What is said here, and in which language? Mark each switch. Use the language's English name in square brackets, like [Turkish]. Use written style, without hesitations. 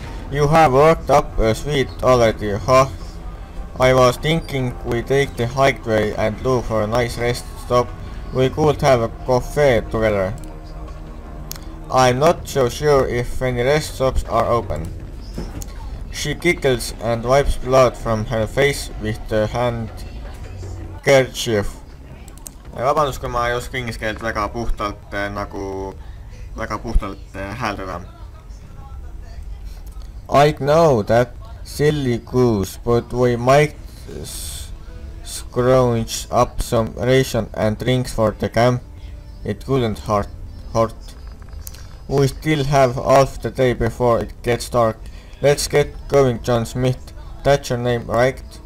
[English] You have worked up a sweat already, huh? I was thinking we take the highway and look for a nice rest stop. We could have a coffee together. I'm not so sure if any rest stops are open. She giggles and wipes blood from her face with the handkerchief. [Estonian] Vabandust, kui ma ei oska inglise keelt väga puhtalt nagu... väga puhtalt hääldada. [English] I know that silly goose, but we might scrounge up some ration and drinks for the camp. It couldn't hurt. We still have half the day before it gets dark. Let's get going, John Smith. That's your name, right?